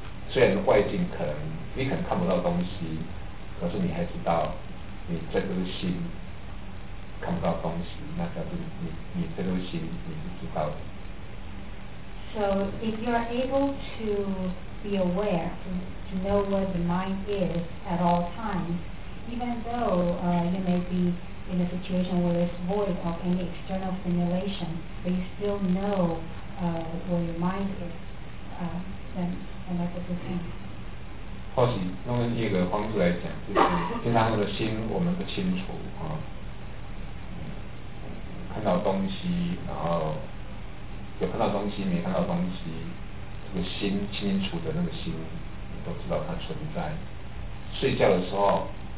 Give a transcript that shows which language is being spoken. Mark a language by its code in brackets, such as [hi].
[zh] 虽然外境可能你可能看不到东西，可是你还知道你这颗心看不到东西，那表示你这颗心你是知道的。 [en] So if you are able to be aware to know what the mind is at all times. Even though you may be in a situation where it's void of any external stimulation, but you still know where your mind is, then that's a good thing. [zh] 或许用另一个方式来讲，就是平常我的心我们不清楚啊，看到东西，然后有看到东西，没看到东西，这个心清楚的那个心，你都知道它存在。睡觉的时候。